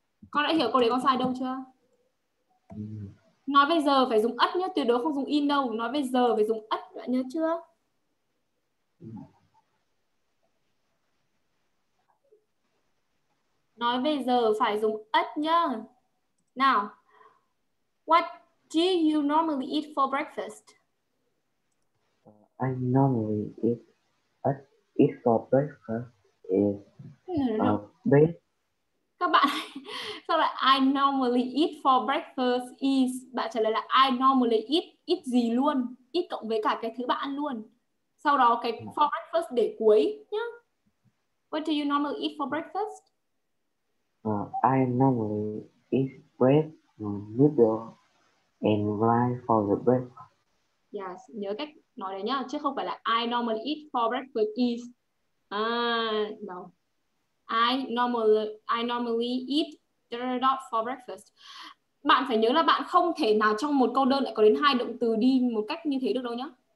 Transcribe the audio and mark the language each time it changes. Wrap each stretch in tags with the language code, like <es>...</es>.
<vi>Con đã hiểu câu đấy con sai đâu chưa? Nói về giờ phải dùng at nhé, tuyệt đối không dùng in đâu. Nói về giờ phải dùng at, bạn nhớ chưa? Nói về giờ phải dùng at nhá.</vi> <en>Now, what do you normally eat for breakfast? I normally eat at eat for breakfast is bread.</en> <vi>Các bạn, sao lại</vi> <en>I normally eat for breakfast is,</en> <vi>bạn trả lời là I normally eat, eat gì luôn, eat cộng với cả cái thứ bạn ăn luôn. Sau đó cái for breakfast để cuối nhá.</vi> <en>What do you normally eat for breakfast? I normally eat bread, noodle, and rice for the breakfast.</en> <vi>Yes, nhớ cách nói đấy nhá, chứ không phải là</vi> <en>I normally eat for breakfast is. No. I normally eat dot for breakfast.</en> <vi>Bạn phải nhớ là bạn không thể nào trong một câu đơn lại có đến hai động từ đi một cách như thế được đâu nhá.</vi>